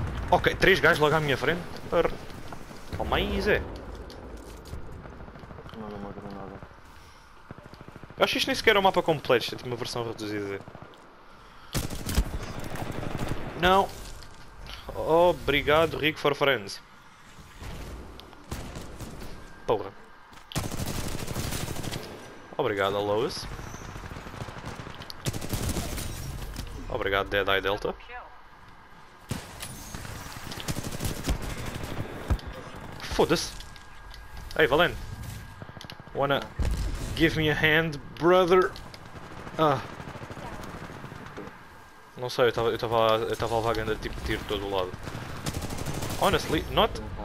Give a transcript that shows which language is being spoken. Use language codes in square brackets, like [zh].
[pt] Ok, três gajos logo à minha frente. Oh, mais é. Manda uma granada. Eu acho que isto nem sequer é um mapa completo, isto é tipo uma versão reduzida. Não! Obrigado, Rico for Friends. Porra. Obrigado, Lois. Obrigado, Dead Eye Delta. Foda-se! Ei, Valen! [en] Wanna give me a hand, brother? Ah! [pt] Não sei, eu tava vagando a tipo tiro de todo o lado. [en] Honestly, not.